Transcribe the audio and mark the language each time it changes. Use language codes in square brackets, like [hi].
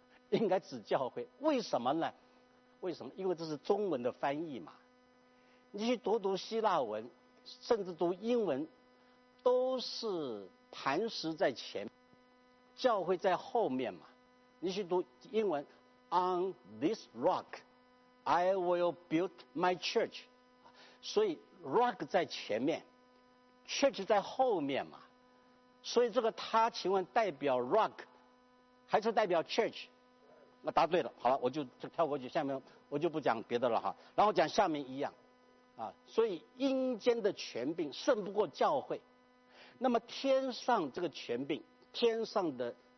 [zh] 应该指教会。为什么呢？为什么？因为这是中文的翻译嘛。你去读读希腊文，甚至读英文，都是磐石在前，教会在后面嘛。你去读英文 ， [en] On this rock, I will build my church。 [zh] 所以 rock 在前面 ，church 在后面嘛。所以这个它，请问代表 rock 还是代表 church？我答对了，好了，我就跳过去，下面我就不讲别的了哈。然后讲下面一样，啊，所以阴间的权柄胜不过教会，那么天上这个权柄，天上的。